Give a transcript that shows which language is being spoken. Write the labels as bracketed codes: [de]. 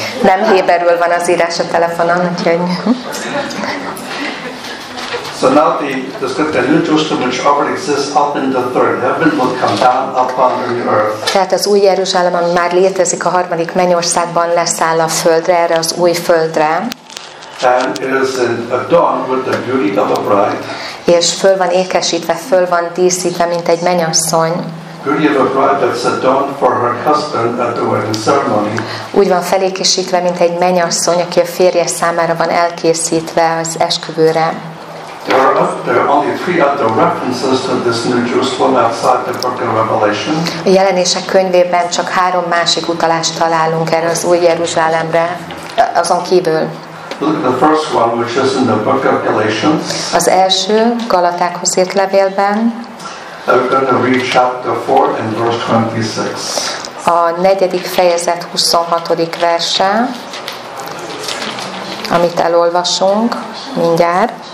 [hu] Nem héberül van az írás a telefonon, úgyhogy. [en] So now the new Jerusalem, which already exists up in the third heaven, will come down upon the new earth. [hu] Tehát az új Jeruzsálem, ami már létezik a harmadik mennyországban, leszáll a földre, erre az új földre. [en] And it is adorned with the beauty of a bride. [hu] És föl van ékesítve, föl van díszítve, mint egy mennyasszony. [en] Beauty of a bride that's adorned for her husband at the wedding ceremony. [hu] Úgy van felékesítve, mint egy mennyasszony, aki a férje számára van elkészítve az esküvőre. [en] There are only three other references to this new Jerusalem outside the book of Revelation. [hu] A jelenések könyvében csak három másik utalást találunk erre az új Jeruzsálemre, azon kívül. [en] Look at the first one, which is in the book of Galatians. [hu] Az első Galatákhoz írt levélben. [en] We're going to read chapter 4 and verse 26. [hu] A negyedik fejezet 26. verse, amit elolvasunk mindjárt.